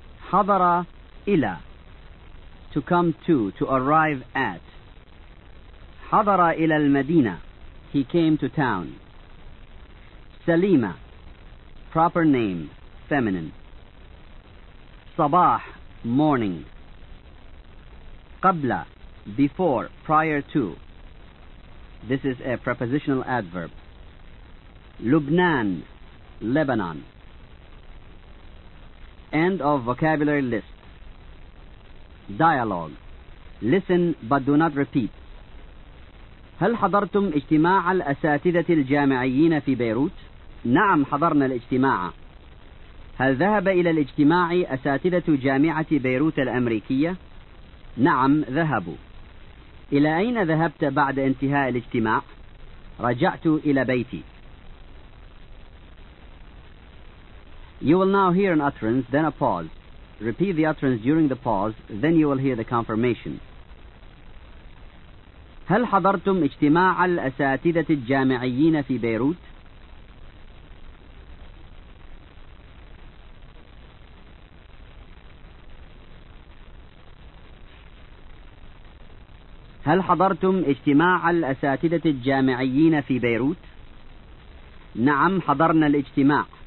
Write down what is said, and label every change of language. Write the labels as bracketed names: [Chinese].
[Arabic] حضر إلى, [English] to come to arrive at. [Arabic] حضر إلى المدينة, [English] he came to town. سليمة, proper name, feminine. صباح, morning. قبل, before, prior to. This is a prepositional adverb. لبنان, Lebanon. End of vocabulary list. Dialogue. Listen but do not repeat. [Arabic] هل حضرتم اجتماع الأساتذة الجامعيين في بيروت؟ نعم حضرنا الاجتماع. هل ذهب إلى الاجتماع أساتذة جامعة بيروت الأمريكية؟ نعم ذهبوا. إلى أين ذهبت بعد انتهاء الاجتماع؟ رجعت إلى بيتي. [English] You will now hear an utterance, then a pause. Repeat the utterance during the pause, then you will hear the confirmation. [Arabic] هل حضرتم اجتماع الأساتذة الجامعيين في بيروت؟ هل حضرتم اجتماع الأساتذة الجامعيين في بيروت؟ نعم حضرنا الاجتماع.